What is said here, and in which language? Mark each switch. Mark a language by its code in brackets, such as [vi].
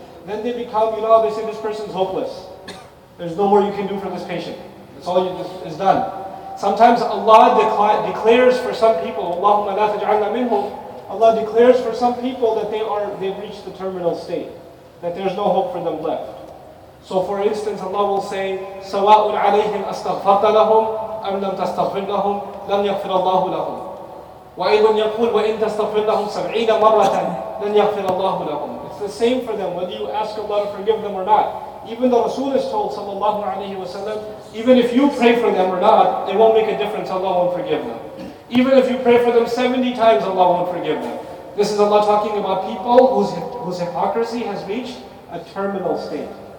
[en] Then they become, you know, they say this person's hopeless. There's no more you can do for this patient. It's all you just, it's done. Sometimes Allah declares for some people, [ar] Allahumma la taj'alna minhum, [en] Allah declares for some people that they've reached the terminal state, that there's no hope for them left. [ar] So for instance, Allah will say, سَوَاءٌ عَلَيْهِمْ أَسْتَغْفَرْتَ لَهُمْ أَمْ لَمْ تَسْتَغْفِرْ لَهُمْ لَمْ يَغْفِرَ اللَّهُ لَهُمْ وَإِذٌ يَقُولُ وَإِنْ تَسْتَغْفِرْ لَهُمْ سَبْعِينَ مَرَّةً لَنْ يَغْفِرَ اللَّهُ لَهُمْ. [en] It's the same for them, whether you ask Allah to forgive them or not. Even the Rasul is told, sallallahu alayhi wa sallam, even if you pray for them or not, it won't make a difference, Allah won't forgive them. Even if you pray for them 70 times, Allah won't forgive them. This is Allah talking about people whose hypocrisy has reached a terminal state.